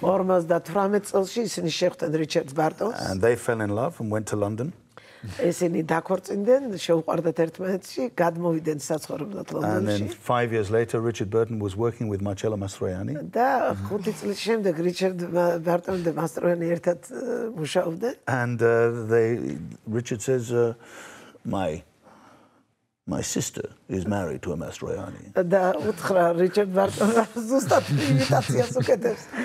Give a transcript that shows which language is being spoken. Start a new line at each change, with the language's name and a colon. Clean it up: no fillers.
Georgian: 58 წელს ისინი შეხვდნენ Richard Burton-ს.
English: And they fell in love and went to London.
Georgian: ესენი დაქორწინდნენ, შეუყვარდათ ერთმანეთში, გადმოვიდნენ საცხოვრებლად ლონდონში.
English: And then 5 years later Richard Burton was working with Marcello Mastroianni.
Georgian: Და 5 წლის შემდეგ Richard Burton და Mastroianni ერთად მუშაობდნენ.
English: And Richard says my sister is married to a Mastroianni.
Georgian: Და უთხრა Richard Burton ზუსტად ინვიტაციას უკეთებს.